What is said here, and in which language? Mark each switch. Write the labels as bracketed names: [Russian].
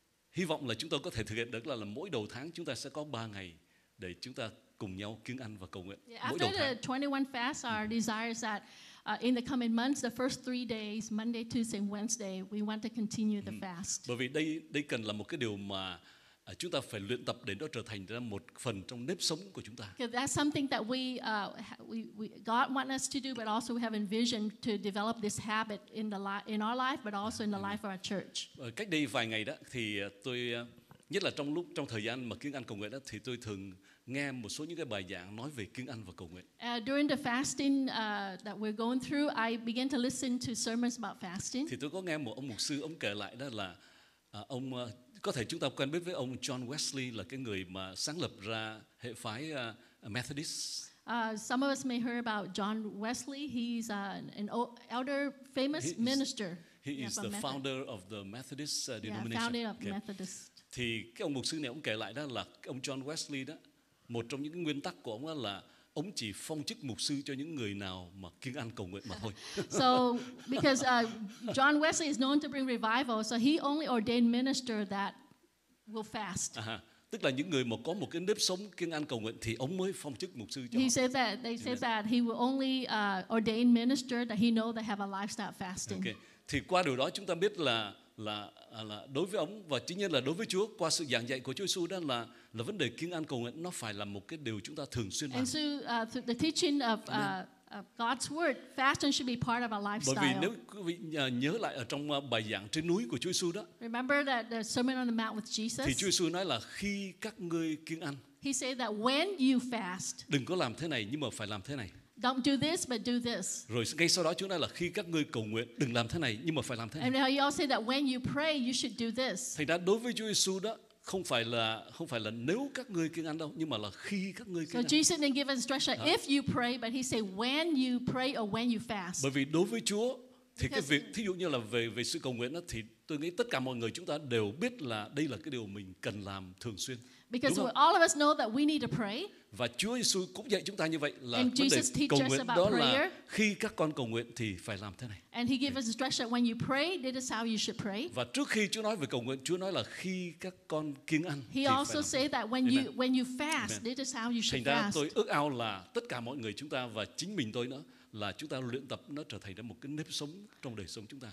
[Vietnamese] Hy vọng là chúng tôi có thể thực hiện được là mỗi đầu tháng chúng ta sẽ có 3 ngày để chúng ta cùng nhau kiêng ăn và cầu nguyện. [English] Yeah, after the 21 fast, our desire is that in the coming months, the first 3 days, Monday, Tuesday, Wednesday, we want to continue the fast. [Vietnamese] Bởi vì đây cần là một cái điều mà chúng ta phải luyện tập để nó trở thành ra một phần trong nếp sống của chúng ta. [English] That's something that we God wants us to do, but also we have envisioned to develop this habit in the in our life, but also in the life of our church. [Vietnamese] Cách đây vài ngày đó, thì tôi nhất là trong thời gian mà kiêng ăn cầu nguyện đó, thì tôi thường nghe một số những cái bài giảng nói về kinh ăn và cầu nguyện. [English] During the fasting that we're going through, I began to listen to sermons about fasting. [Vietnamese] Thì tôi có nghe một ông mục sư ông kể lại đó là ông có thể chúng ta quen biết với ông John Wesley là cái người mà sáng lập ra hệ phái Methodist. [English] Some of us may hear about John Wesley. He's an elder, famous minister. He is the founder of the Methodist denomination. Yeah, founder of Methodist. [Vietnamese] Thì cái ông mục sư này ông kể lại đó là ông John Wesley đó, một trong những nguyên tắc của ông đó là ông chỉ phong chức mục sư cho những người nào mà kiêng ăn cầu nguyện mà thôi. [English] So because John Wesley is known to bring revival, so he only ordained minister that will fast. [Vietnamese] Tức là những người mà có một cái nếp sống kiêng ăn cầu nguyện thì ông mới phong chức mục sư cho. [English] He said that they said that he will only ordain minister that he know that have a lifestyle fasting. Okay. [Vietnamese] Thì qua điều đó chúng ta biết là đối với ông và chính nhiên là đối với Chúa qua sự giảng dạy của Chúa Giêsu đó là vấn đề kiêng ăn cầu nguyện nó phải là một cái điều chúng ta thường xuyên làm. [English] And so through the teaching of God's word, fasting should be part of our lifestyle. [Vietnamese] Bởi vì nếu quý vị nhớ lại ở trong bài giảng trên núi của Chúa Giêsu đó. [English] Remember that the Sermon on the Mount with Jesus. [Vietnamese] Thì Chúa Giêsu nói là khi các ngươi kiêng ăn. [English] He said that when you fast. [Vietnamese] Đừng có làm thế này nhưng mà phải làm thế này. [English] Don't do this, but do this. [Vietnamese] Rồi ngay sau đó Chúa nói là khi các ngươi cầu nguyện, đừng làm thế này, nhưng mà phải làm thế này. [English] And now you all say that when you pray, you should do this. [Vietnamese] Thành ra đối với Chúa Giêsu đó, không phải là nếu các ngươi kiêng ăn đâu, nhưng mà là khi các ngươi kiêng ăn. [English] So Jesus didn't give instruction if you pray, but he said when you pray or when you fast. [Vietnamese] Bởi vì đối với Chúa, thì cái việc, thí dụ như là về sự cầu nguyện đó, thì tôi nghĩ tất cả mọi người chúng ta đều biết là đây là cái điều mình cần làm thường xuyên. [English] Because we, all of us know that we need to pray. [Vietnamese] Và Chúa Giêsu cũng dạy chúng ta như vậy là vấn đề cầu nguyện đó là khi các con cầu nguyện thì phải làm thế này. [English] And he gave us instruction when you pray, this is how you should pray. [Vietnamese] Và trước khi Chúa nói về cầu nguyện, Chúa nói là khi các con kiêng ăn. [English] He also said that when you fast, this is how you should fast. [Vietnamese] Thành ra tôi ước ao là tất cả mọi người chúng ta và chính mình tôi nữa là chúng ta luyện tập nó trở thành một cái nếp sống trong đời sống chúng ta.